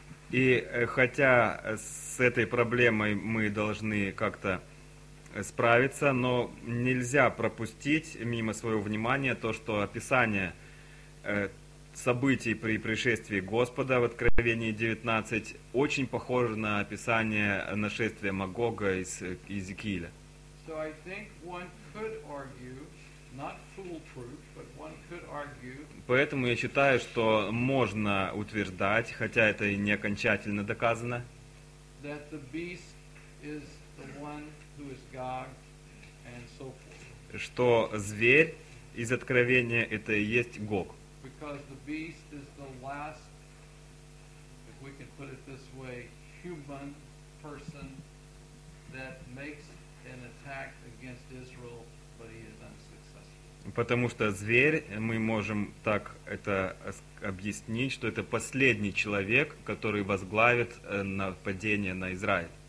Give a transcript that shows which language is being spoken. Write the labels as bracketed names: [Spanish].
[Russian] И хотя с этой проблемой мы должны как-то справиться, но нельзя пропустить мимо своего внимания то, что описание событий при пришествии Господа в Откровении 19 очень похоже на описание нашествия Магога из Иезекииля. [English] So I think one could argue, not foolproof, but one could argue. [Russian] Поэтому я считаю, что можно утверждать, хотя это и не окончательно доказано, [English] that the beast is the one who is God and so forth. [Russian] Что зверь из Откровения это и есть Гог. [English] Because the beast is the last, if we can put it this way, human person that makes an attack against Israel, but he is unsaved. [Russian] Потому что зверь, мы можем так это объяснить, что это последний человек, который возглавит нападение на Израиль.